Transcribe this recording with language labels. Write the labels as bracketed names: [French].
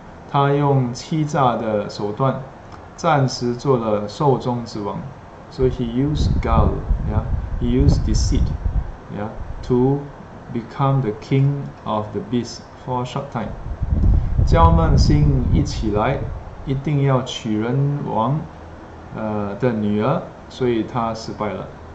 [Chinese] 他用欺诈的手段, 暂时做了兽中之王. [English] So he used guile, he used deceit, to become the king of the beast for a short time. [Chinese] 娇慢心一起来, 一定要娶人王, 的女儿, 所以他失败了.